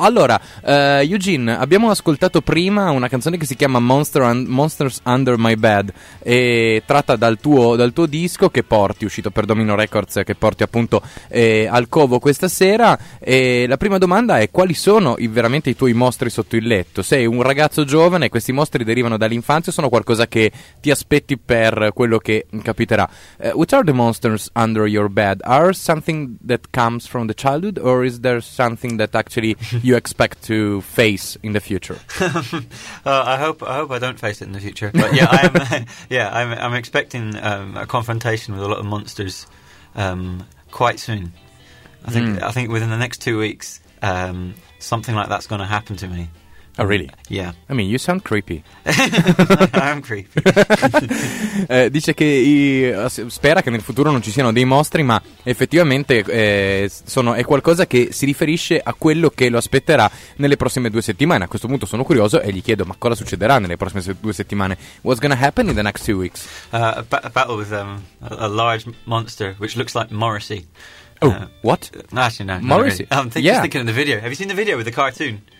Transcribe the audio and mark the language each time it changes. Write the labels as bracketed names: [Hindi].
[Italian] Allora, Eugene, abbiamo ascoltato prima una canzone che si chiama Monsters Under My Bed, e tratta dal tuo disco che porti, uscito per Domino Records, che porti appunto al Covo questa sera. E la prima domanda è: quali sono veramente i tuoi mostri sotto il letto? Sei un ragazzo giovane, questi mostri derivano dall'infanzia, infanzia, sono qualcosa che ti aspetti per quello che capiterà? [English] What are the monsters under your bed? Are something that comes from the childhood, or is there something that actually you expect to face in the future? I hope I don't face it in the future. But yeah, I'm expecting a confrontation with a lot of monsters quite soon. I think within the next 2 weeks something like that's going to happen to me. Oh, really? Yeah. I mean, you sound creepy. I'm creepy. [Italian] dice che spera che nel futuro non ci siano dei mostri, ma effettivamente è qualcosa che si riferisce a quello che lo aspetterà nelle prossime 2 settimane. A questo punto sono curioso e gli chiedo: ma cosa succederà nelle prossime 2 settimane? [English] What's gonna happen in the next 2 weeks? A battle with a large monster, which looks like Morrissey. Oh, what? Actually, no. Morrissey? Really. Just thinking of the video. Have you seen the video with the cartoon?